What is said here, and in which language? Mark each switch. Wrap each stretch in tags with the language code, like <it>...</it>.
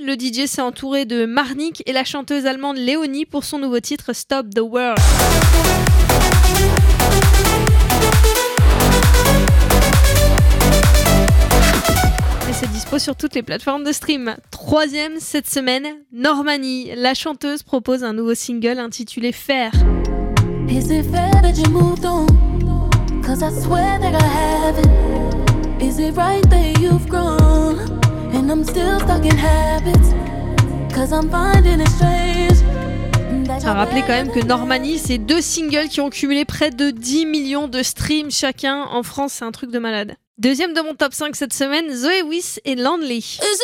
<fr>Le DJ s'est entouré de Marnik et la chanteuse allemande Léonie pour son nouveau titre Stop the World. Et c'est dispo sur toutes les plateformes de stream. 3e cette semaine, Normani. La chanteuse propose un nouveau single intitulé Fair.</fr> <en>Is it fair that you moved on? 'Cause I swear that I haven't. Is it right that you've grown? And I'm still stuck in habits. 'Cause I'm finding it strange.</en> <fr>Ça a rappelé quand même que Normani, c'est deux singles qui ont cumulé près de 10 millions de streams chacun en France, c'est un truc de malade. Deuxième de mon top 5 cette semaine, Zoé Wiss et Landly.</fr>